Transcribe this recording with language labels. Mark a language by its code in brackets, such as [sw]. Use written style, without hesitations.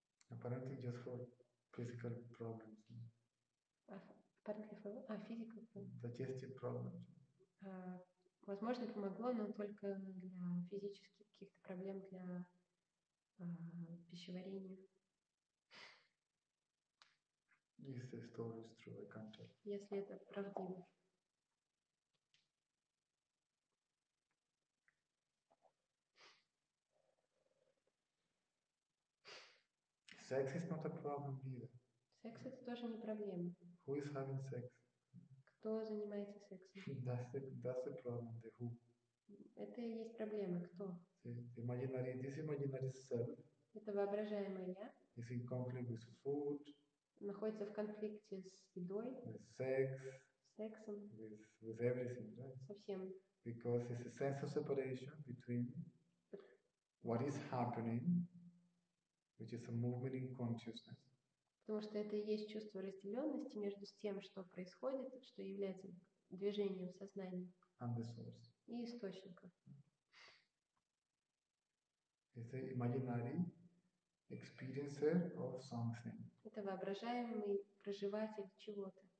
[en] Apparently just for physical problems. Apparently for a physical form. Digestive problems. [ru] Возможно, помогло, но только для физических каких-то проблем, для пищеварения. [en] If the story is true, I can't tell. [ru] Если это правдиво. [en] Sex is not a problem either. Sex is [ru] тоже не проблема. [en] Who is having sex? [ru] Кто занимается сексом? [en] That's the problem, the who. [ru] Это и есть проблема, кто? [en] This imaginary self. [ru] Это воображаемое я. [en] Is in conflict with food. [ru] Находится в конфликте с едой. [en] With sex. [ru] С сексом. [en] With everything, right? [ru] Со всем. [en] Because it's a sense of separation between what is happening, which is a movement in consciousness. [ru] Потому что это и есть чувство разделенности между тем, что происходит, что является движением сознания. [en] And the source. [ru] И источником. [en] It's an imaginary experiencer of something. [ru] Это воображаемый проживатель чего-то.